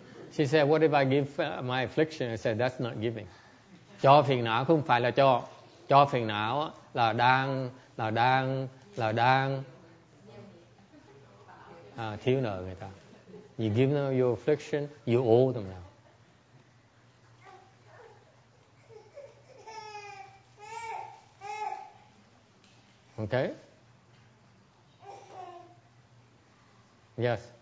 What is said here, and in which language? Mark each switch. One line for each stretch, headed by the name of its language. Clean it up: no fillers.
English: She said, what if I give my affliction? I said, that's not giving.
Vietnamese: Cho phiền não không phải là cho phiền não là đang thiếu nợ người ta.
English: You give them your affliction, you owe them now. Okay? Yes.